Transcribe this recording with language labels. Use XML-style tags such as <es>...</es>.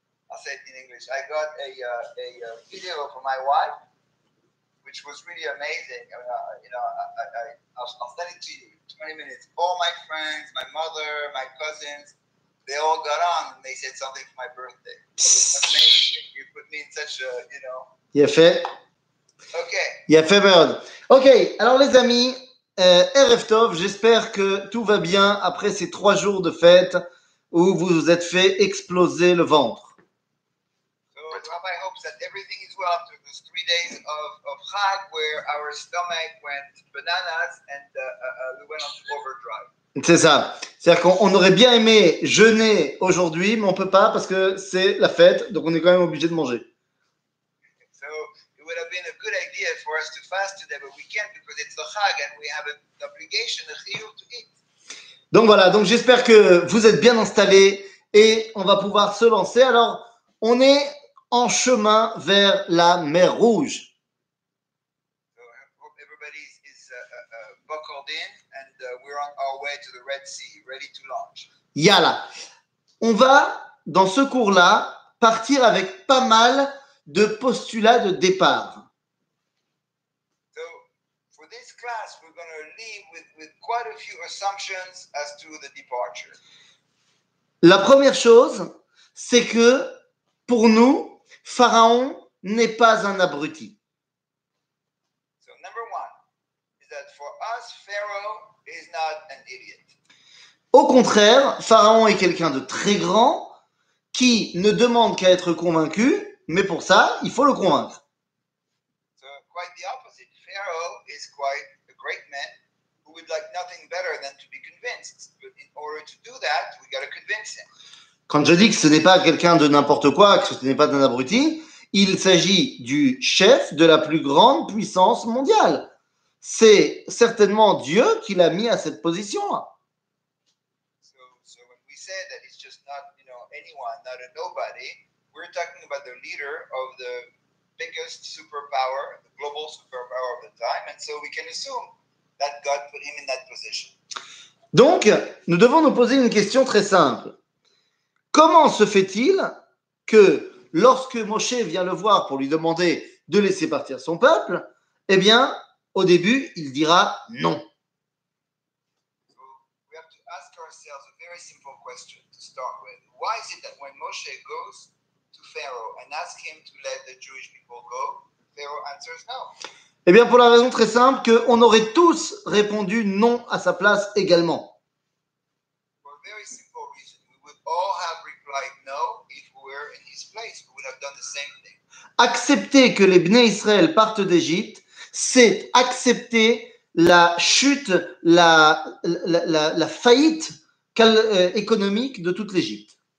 <en>I got a video for my wife, which was really amazing. I'll send it to you in 20 minutes. All my friends, my mother, my cousins, they all got on and they said something for my birthday. It was amazing. You put me in such a, you know. Yeah, fair. Okay. Yeah, fair bird.</en> <fr>Okay, alors les amis, RF Tov, j'espère que tout va bien après ces 3 jours de fête où vous vous êtes fait exploser le ventre.</fr> <en>So, Rabbi hopes that everything is well after those 3 days of Chag where our stomach went bananas and we went on overdrive.</en> <fr>C'est ça. C'est-à-dire qu'on aurait bien aimé jeûner aujourd'hui, mais on ne peut pas parce que c'est la fête, donc on est quand même obligé de manger.</fr> <en>Would have been a good idea for us to fast today, but we can't because it's the Chag and we have an obligation, a chiyuv to eat.</en> <fr>Donc voilà. Donc j'espère que vous êtes bien installés et on va pouvoir se lancer. Alors on est en chemin vers la Mer Rouge.</fr> <en>So I hope everybody is buckled in and we're on our way to the Red Sea, ready to launch. Yala.</en> <fr>On va dans ce cours-là partir avec pas mal de postulat de départ.</fr> <en>So, for this class, we're going to leave with quite a few assumptions as to the departure.</en> <fr>La première chose, c'est que pour nous, Pharaon n'est pas un abruti.</fr> <en>So, number one, is that for us, Pharaoh is not an idiot.</en> <fr>Au contraire, Pharaon est quelqu'un de très grand qui ne demande qu'à être convaincu. Mais pour ça, il faut le convaincre.</fr> <en>So, quite the opposite. Pharaoh is quite a great man who would like nothing better than to be convinced. But in order to do that, we got to convince him.</en> <fr>Quand je dis que ce n'est pas quelqu'un de n'importe quoi, que ce n'est pas d'un abruti, il s'agit du chef de la plus grande puissance mondiale. C'est certainement Dieu qui l'a mis à cette position-là.</fr> <en>So when we say that it's just not, you know, anyone, not a nobody, we're talking about the leader of the biggest superpower, the global superpower of the time, and so we can assume that God put him in that position.</en> <fr>Donc, nous devons nous poser une question très simple. Comment se fait-il que lorsque Moshe vient le voir pour lui demander de laisser partir son peuple, eh bien, au début, il dira non.</fr> <en>So we have to ask ourselves a very simple question to start with. Why is it that when Moshe goes Pharaoh and ask him to let the Jewish people go, Pharaoh answers no. Eh bien, pour la raison très simple que on aurait tous répondu non à sa place également. For a very simple reason, we would all have replied no if we were in his place. We would have done the same thing.</en> <fr>Accepter que les Bnei Israël partent d'Égypte, c'est accepter la chute, la faillite économique de toute l'Égypte.</fr>